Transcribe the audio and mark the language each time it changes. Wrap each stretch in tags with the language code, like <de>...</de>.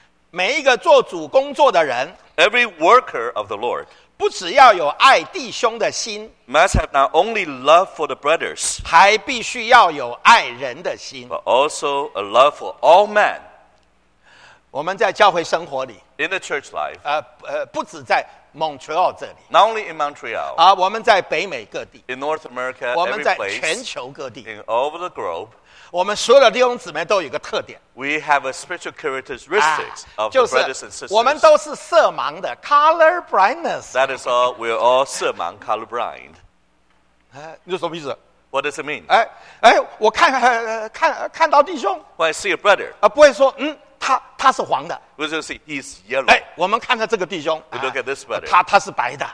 <zh>每一个做主工作的人</zh> <en>Every worker of the Lord</en> <zh>不只要有爱弟兄的心</zh> <en>must have not only love for the brothers</en> <zh>还必须要有爱人的心</zh> <en>but also a love for all men</en> <zh>我们在教会生活里</zh> <en>in the church life</en> <zh>不只在 Montreal 这里</zh> <en>not only in Montreal</en> <zh>我们在北美各地</zh> <en>in North America</en> <zh>我们在全球各地</zh> <en>in all over the globe</en> <zh>我们所有的弟兄姊妹都有一个特点</zh> <en>We have a special characteristics of the brothers and sisters.</en> <zh>我们都是色盲的</zh> <en>color blindness. That is all. We're all 色盲 color blind.</en> <zh>你说什么意思？</zh> <en>What does it mean?</en> <zh>我看到弟兄。</zh> <en>When I see a brother.</en> <zh>不会说他是黄的。</zh> <en>We just see he's yellow.</en> <zh>我们看看这个弟兄。</zh> <en>We look at this brother.</en> <zh>他是白的。</zh>